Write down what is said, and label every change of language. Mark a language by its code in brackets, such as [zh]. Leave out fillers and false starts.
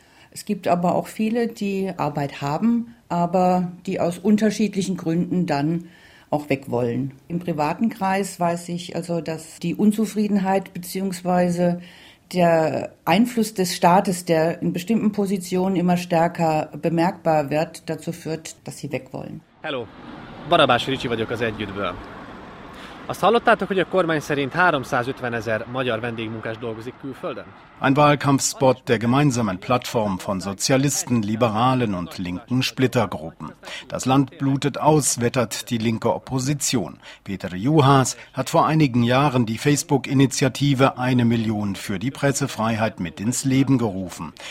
[de] Es gibt aber auch viele, die Arbeit haben, aber die aus unterschiedlichen Gründen dann auch weg wollen. Im privaten Kreis weiß ich also, dass die Unzufriedenheit bzw. der Einfluss des Staates, der in bestimmten Positionen immer stärker bemerkbar wird, dazu führt, dass sie weg wollen. [hu] Hallo, Barabás Ricsi vagyok az Együttből. Azt hallottátok, hogy a kormány szerint 350 ezer magyar vendégmunkás dolgozik külföldön? [de] Ein Wahlkampfspot der gemeinsamen Plattform von Sozialisten, Liberalen und linken Splittergruppen. Das Land blutet aus, wettert die linke Opposition. Peter Juhas hat vor einigen Jahren die Facebook-Initiative 1 Million für die Pressefreiheit mit ins Leben gerufen.